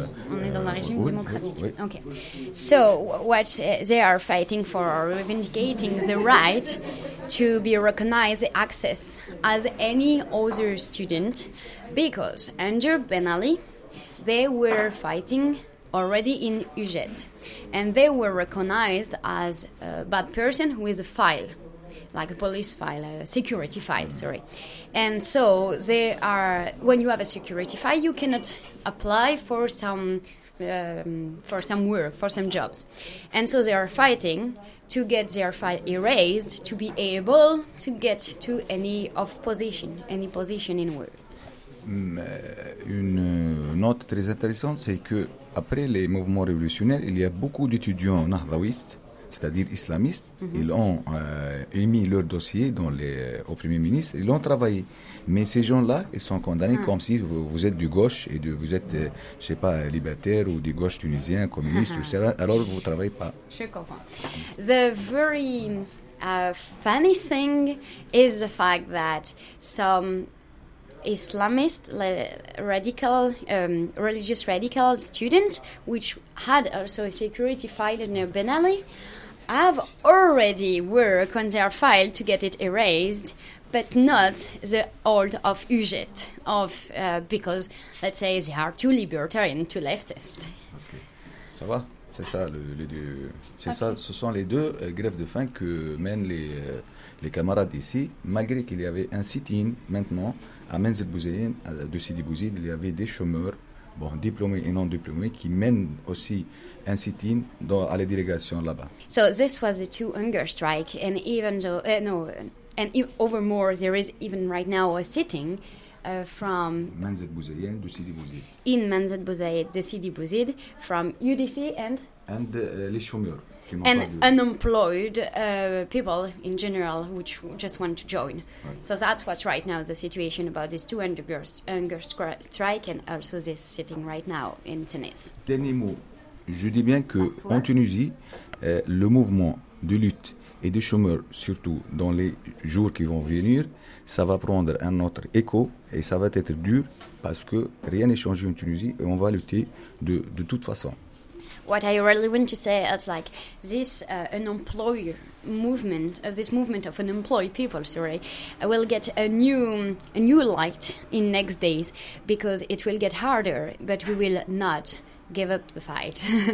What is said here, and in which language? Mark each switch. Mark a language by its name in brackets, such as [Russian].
[French] On est dans un régime démocratique. Oui. Okay. [English] So, what they are fighting for, reivindicating the right to be recognized access as any other student, because under Ben Ali... They were fighting already in UGT, and they were recognized as a bad person who is a file, like a police file, a security file, sorry. And so they are. When you have a security file, you cannot apply for some work, for some jobs. And so they are fighting to get their file erased, to be able to get to any position in work. [French] Une note très intéressante, c'est que après les mouvements révolutionnaires, il y a beaucoup d'étudiants nahdawistes, c'est-à-dire islamistes. Mm-hmm. Ils ont émis leur dossier au Premier ministre, ils ont travaillé. Mais ces gens-là, ils sont condamnés comme si vous êtes du gauche et vous êtes, je ne sais pas, libertaire ou du gauche tunisien, communiste, etc. Alors vous ne travaillez pas. Je comprends. [English] The very funny thing is the fact that some Islamist, radical, religious radical student, which had also a security file in Benelli, have already work on their file to get it erased, but not the old of UGET, of because, let's say, they are too libertarian, too leftist. [French] Okay. Ça va? C'est ça, les deux. C'est okay. Ça, ce sont les deux grèves de faim que mènent les camarades ici, malgré qu'il y avait un sit-in maintenant à Menzel Bouzeïn, de Sidi Bouzid, il y avait des chômeurs, bon, diplômés et non diplômés, qui mènent aussi un sit-in à la délégation là-bas. [English] So this was the two hunger strike, and even though over more, there is even right now a sitting from [French] Menzel Bouzeïn, de Sidi Bouzid. [English] In Menzel Bouzeïn, de Sidi Bouzid, from UDC and [French] les chômeurs. [English] And unemployed people in general, which just want to join. Right. So that's what's right now the situation about these two hunger strike and also this sitting right now in Tunis. [French] Dernier mot. Je dis bien que en Tunisie, le mouvement de lutte et des chômeurs, surtout dans les jours qui vont venir, ça va prendre un autre écho et ça va être dur parce que rien n'est changé en Tunisie et on va lutter de toute façon. [English] What I really want to say is like this unemployed people will get a new light in next days because it will get harder, but we will not give up the fight.